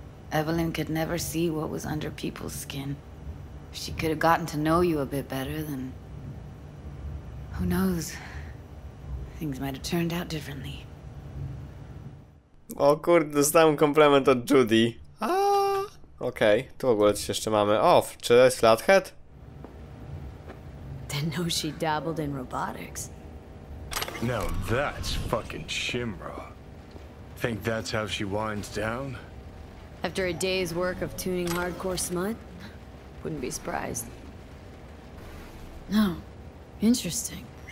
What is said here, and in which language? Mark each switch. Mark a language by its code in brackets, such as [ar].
[en] Evelyn could never see what was under people's skin. If she could have gotten to know you a bit better, then who knows? Things might have turned out differently. [pl] O kurde, dostałem komplement od Judy. Okej, okay. Tu w ogóle coś jeszcze mamy. O, czy to jest Flathead? [en] Didn't know she dabbled in robotics. Now that's fucking Shimra. Think that's how she winds down? After a day's work of tuning hardcore smut? Wouldn't be surprised. No. Interesting.